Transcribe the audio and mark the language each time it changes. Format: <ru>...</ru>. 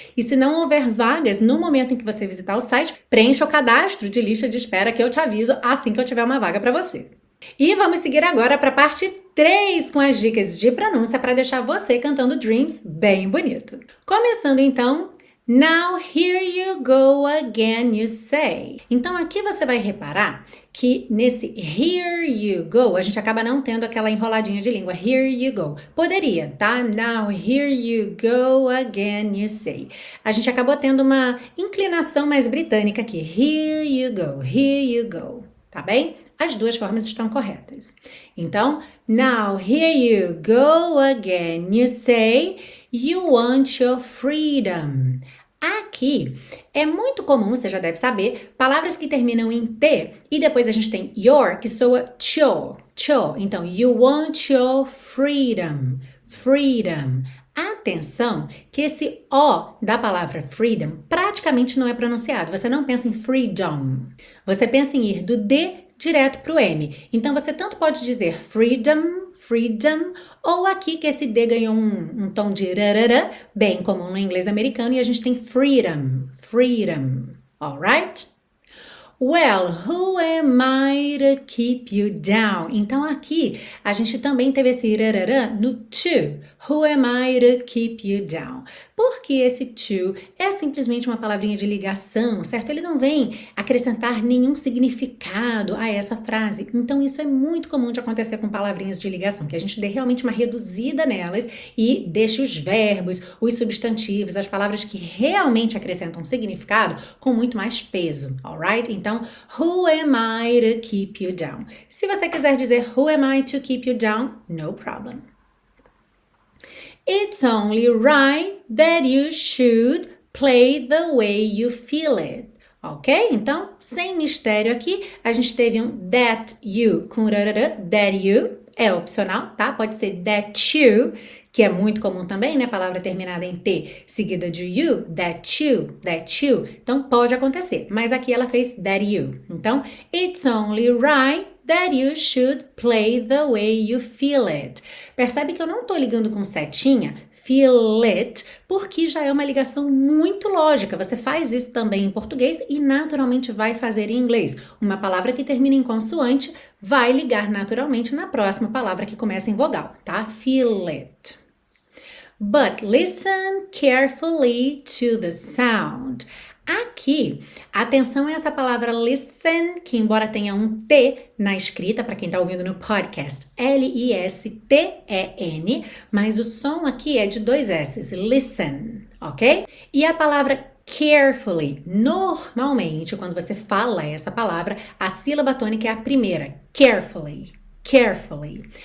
<pt>E se não houver vagas no momento em que você visitar o site, preencha o cadastro de lista de espera que eu te aviso assim que eu tiver uma vaga para você. E vamos seguir agora para a parte 3 com as dicas de pronúncia para deixar você cantando Dreams bem bonito. Começando então,</pt> <en>Now here you go again, you say.</en> <pt>Então aqui você vai reparar que nesse</pt> <en>here you go,</en> <pt>a gente acaba não tendo aquela enroladinha de língua.</pt> <en>Here you go.</en> <pt>Poderia, tá?</pt> <en>Now here you go again, you say.</en> <pt>A gente acabou tendo uma inclinação mais britânica aqui.</pt> <en>Here you go, here you go.</en> <pt>Tá bem? As duas formas estão corretas.</pt> <en>Então, now here you go again, you say you want your freedom.</en> <pt>Aqui é muito comum, você já deve saber, palavras que terminam em T e depois a gente tem your, que soa cho, cho.</pt> <en>Então, you want your freedom, freedom.</en> <pt>Atenção que esse O da palavra freedom praticamente não é pronunciado. Você não pensa em freedom. Você pensa em ir do D direto para o M. Então, você tanto pode dizer freedom, freedom, ou aqui que esse D ganhou um tom de rarara, bem comum no inglês americano, e a gente tem freedom, freedom, alright?</pt> <en>Well, who am I to keep you down?</en> <pt>Então, aqui, a gente também teve esse rarara no to.</pt> <en>Who am I to keep you down?</en> <pt>Porque esse to é simplesmente uma palavrinha de ligação, certo? Ele não vem acrescentar nenhum significado a essa frase. Então, isso é muito comum de acontecer com palavrinhas de ligação, que a gente dê realmente uma reduzida nelas e deixe os verbos, os substantivos, as palavras que realmente acrescentam significado com muito mais peso, alright?</pt> <en>Então, who am I to keep you down?</en> <pt>Se você quiser dizer</pt> <en>who am I to keep you down, no problem. It's only right that you should play the way you feel it. Ok?</en> <pt>Então, sem mistério aqui, a gente teve um</pt> <en>that you</en> <pt>com rarara, that you é opcional, tá? Pode ser that you, que é muito comum também, né? Palavra terminada em T seguida de you,</pt> <en>that you, that you.</en> <pt>Então, pode acontecer. Mas aqui ela fez</pt> <en>that you. Então, it's only right that you should play the way you feel it.</en> <pt>Percebe que eu não estou ligando com setinha,</pt> <en>feel it,</en> <pt>porque já é uma ligação muito lógica. Você faz isso também em português e naturalmente vai fazer em inglês. Uma palavra que termina em consoante vai ligar naturalmente na próxima palavra que começa em vogal, tá?</pt> <en>Feel it. But listen carefully to the sound.</en> <pt>Aqui, atenção a essa palavra listen, que embora tenha um T na escrita, para quem está ouvindo no podcast, L-I-S-T-E-N, mas o som aqui é de dois S, listen, ok? E a palavra carefully, normalmente, quando você fala essa palavra, a sílaba tônica é a primeira, carefully, carefully.</pt>